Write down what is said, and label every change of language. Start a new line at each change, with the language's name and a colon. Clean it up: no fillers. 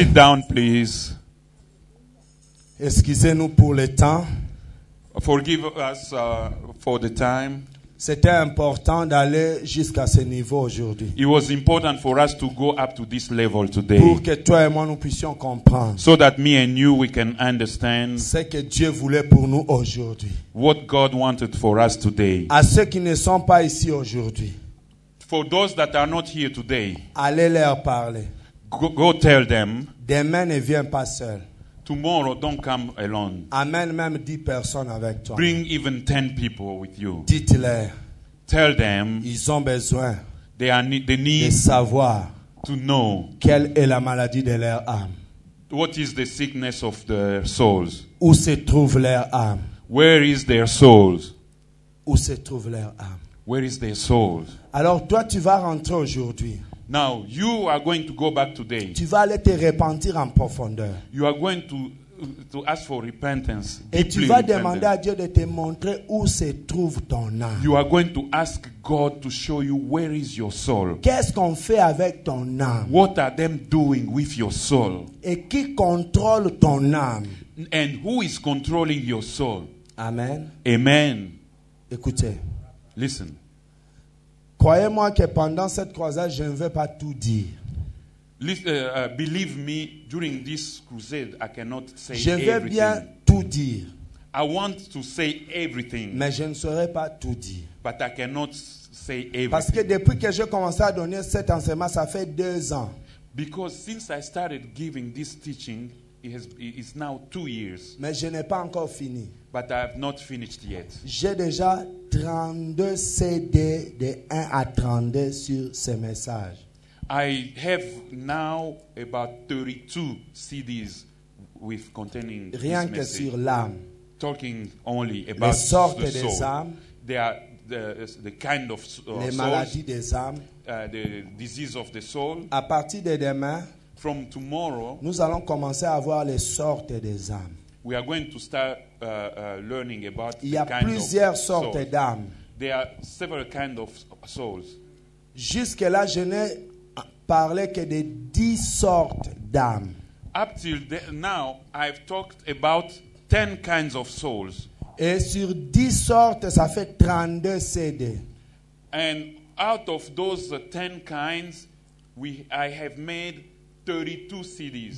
English: Sit down, please.
French: Excusez-nous pour le temps.
English: Forgive us for the time.
French: C'était important d'aller jusqu'à ce niveau aujourd'hui.
English: It was important for us to go up to this level today.
French: Pour que toi et moi nous puissions comprendre.
English: So that me and you we can understand.
French: Ce que Dieu voulait pour nous aujourd'hui.
English: What God wanted for us today.
French: À ceux qui ne sont pas ici aujourd'hui.
English: For those that are not here today.
French: Allez leur parler.
English: Go tell them.
French: Demain ne viens pas seul.
English: Tomorrow, don't come alone.
French: Amen, même 10 personnes avec toi.
English: Bring even 10 people with you.
French: Dites-leur.
English: Tell them.
French: Ils ont besoin.
English: They need.
French: De savoir.
English: To know.
French: Quelle est la maladie de leur âme.
English: What is the sickness of their souls?
French: Où se trouve leur âme?
English: Where is their souls?
French: Où se trouve leur âme?
English: Where is their souls?
French: Alors toi, tu vas rentrer aujourd'hui.
English: Now you are going to go back today.
French: Tu vas aller te repentir en profondeur.
English: You are going to ask for repentance.
French: Et tu vas demander à Dieu de te montrer où se trouve ton âme.
English: You are going to ask God to show you where is your soul.
French: Qu'est-ce qu'on fait avec ton âme?
English: What are them doing with your soul?
French: Et qui contrôle ton âme?
English: And who is controlling your soul?
French: Amen.
English: Amen.
French: Écoutez.
English: Listen.
French: Croyez-moi que pendant cette croisade, je ne vais pas tout dire.
English: Believe me, during this crusade, I cannot say
French: je vais
English: everything.
French: Bien tout dire.
English: I want to say everything.
French: Mais je ne saurais pas tout dire.
English: But I cannot say everything.
French: Parce que depuis que j'ai commencé à donner cet enseignement, ça fait 2 ans.
English: Because since I started giving this teaching, it's now 2 years.
French: Mais je n'ai pas encore fini.
English: But I have not finished yet.
French: J'ai déjà 32 CD de 1 à 32 sur ce message.
English: I have now about 32 CDs with containing
French: rien
English: this message.
French: Que sur l'âme.
English: Talking only about
French: les sortes
English: the soul.
French: Des âmes.
English: They are the kind of souls.
French: Les maladies des âmes.
English: The disease of the soul.
French: À partir de demain,
English: from tomorrow,
French: nous allons commencer à voir les sortes des âmes.
English: We are going to start learning about
French: il y a plusieurs sortes d'âmes.
English: There are several kinds of souls.
French: Jusque là, je n'ai parlé que de 10 sortes d'âmes.
English: Up till now, I've talked about 10 kinds of souls.
French: Et sur 10 sortes, ça fait 32 CD.
English: And out of those 10 kinds, I have made 32 CDs.